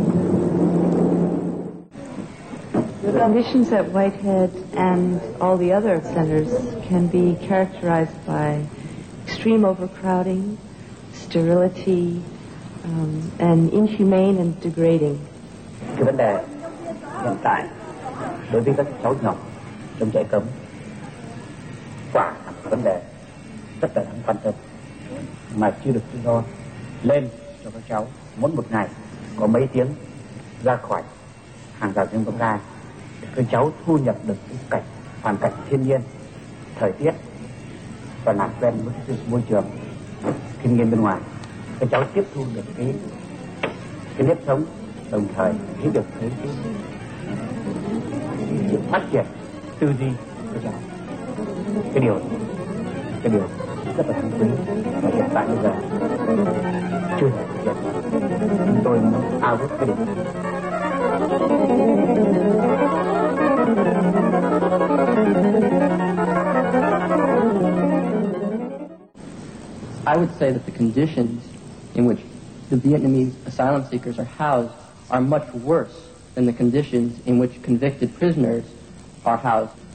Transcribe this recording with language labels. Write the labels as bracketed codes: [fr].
[en] The conditions at Whitehead and all the other centers can be characterized by extreme overcrowding, sterility, and inhumane and degrading. [vi] Cái vấn đề hiện tại đối với các cháu nhỏ trong trại cấm quả là một vấn đề rất là đáng quan tâm mà chưa được tự do lên cho các cháu mỗi một ngày có mấy tiếng ra khỏi hàng rào chúng ta để các cháu thu nhập được cái cảnh hoàn cảnh thiên nhiên thời tiết và làm quen với cái môi trường thiên nhiên bên ngoài, các cháu tiếp thu được cái nếp sống, đồng thời thấy được cái sự phát triển tư duy của cháu. Cái điều rất là thân quý và hiện tại bây giờ chưa thể thực hiện, chúng tôi muốn ao ước cái điều. [en] I would say that the conditions in which the Vietnamese asylum seekers are housed are much worse than the conditions in which convicted prisoners are housed.